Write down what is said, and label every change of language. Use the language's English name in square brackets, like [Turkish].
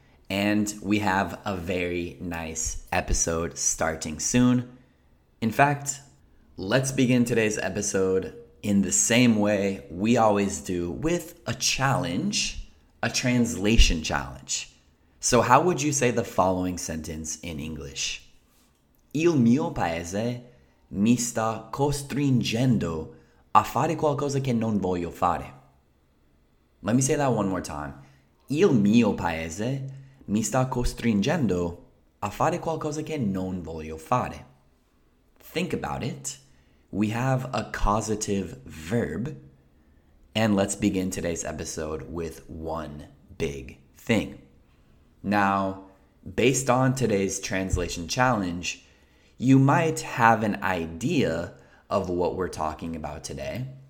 [English] And we have a very nice episode starting soon. In fact, let's begin today's episode in the same way we always do, with a challenge, a translation challenge. So how would you say the following sentence in English? [Italian] Il mio paese mi sta costringendo a fare qualcosa che non voglio fare. [English] Let me say that one more time. [Italian] Il mio paese mi sta costringendo a fare qualcosa che non voglio fare. [English] Think about it. We have a causative verb. And let's begin today's episode with one big thing. Now, based on today's translation challenge, you might have an idea of what we're talking about today.